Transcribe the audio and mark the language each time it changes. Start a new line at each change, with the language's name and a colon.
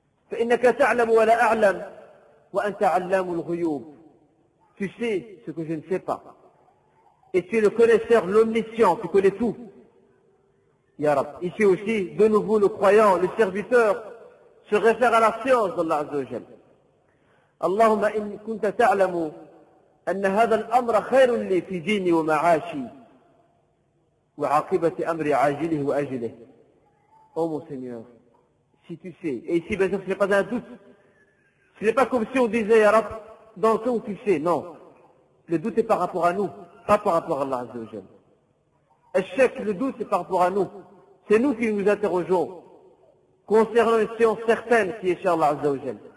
Arabic: فَإِنَّكَ تَعْلَمُ وَلَا أَعْلَمُ وَأَنْتَ عَلَّمُ الْغُيُوبِ.
French: Tu sais ce que je ne sais pas. Et tu es le connaisseur, l'omniscient, tu connais tout. Ya Rab. Ici aussi, de nouveau, le croyant, le serviteur, se réfère à la science d'Allah Azza wa Jal.
Arabic: اللَّهُمَّ إِنْ كُنْتَ تَعْلَمُ أن هذا الأمر خير لي في ديني ومعاشي وعاقبة أمري عاجله وأجله.
French: Oh mon Seigneur, si tu sais, et ici bien sûr ce n'est pas un doute, ce n'est pas comme si on disait Ya Rab, dans le temps où tu sais, non. Le doute est par rapport à nous, pas par rapport à Allah Azza wa Jal. Échec, le doute est par rapport à nous. C'est nous qui nous interrogeons concernant une science certaine qui est chez Allah Azza wa Jal.